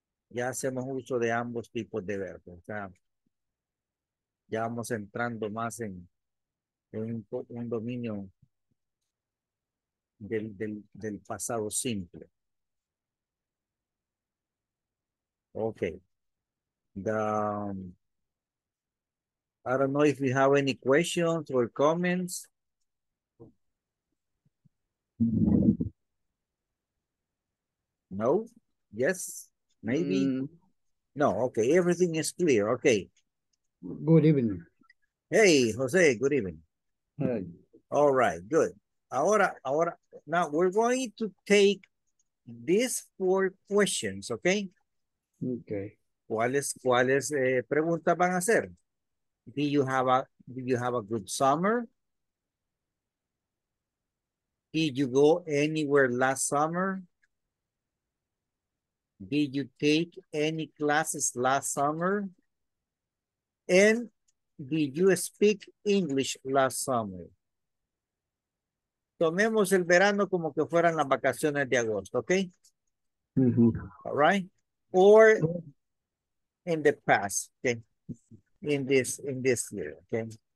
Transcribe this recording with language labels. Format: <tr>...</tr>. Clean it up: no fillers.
<es>Ya hacemos uso de ambos tipos de verbo. O sea, ya vamos entrando más en un dominio del pasado simple.</es> <en>Okay, I don't know if you have any questions or comments. No, yes, maybe. No, okay, everything is clear. Okay, good evening. Hey, Jose, good evening. Hey. All right, good. Ahora, now we're going to take these four questions, okay? Okay.</en> <es>¿Cuáles preguntas van a hacer?</es> <en>Do you have a good summer? Did you go anywhere last summer? Did you take any classes last summer? And did you speak English last summer?</en> <es>Tomemos el verano como que fueran las vacaciones de agosto, okay? Mm-hmm.</es> <en>All right. Or in the past, okay, in this year, okay.</en>